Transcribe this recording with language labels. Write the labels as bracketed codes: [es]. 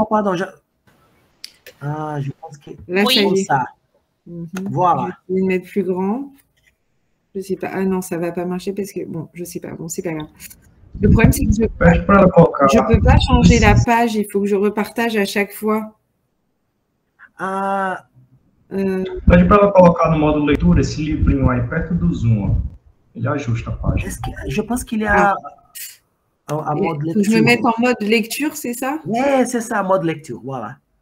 [fr] Pardon, je... Ah, je pense que... Là, oui, c'est ça. Mm-hmm. Voilà. Je vais le mettre plus grand. Je ne sais pas. Ah non, ça ne va pas marcher parce que... Bon, je ne sais pas. Bon, c'est pas grave. Le problème, c'est que je peux pas changer la page. Il faut que je repartage à chaque fois. [pt] Pode para ela colocar no modo leitura esse livrinho aí perto do Zoom, ó. Ele ajusta a página. Eu acho que ele é a modo leitura. [fr] Je me mets en mode lecture, c'est ça? É, c'est ça, modo lecture, voilà.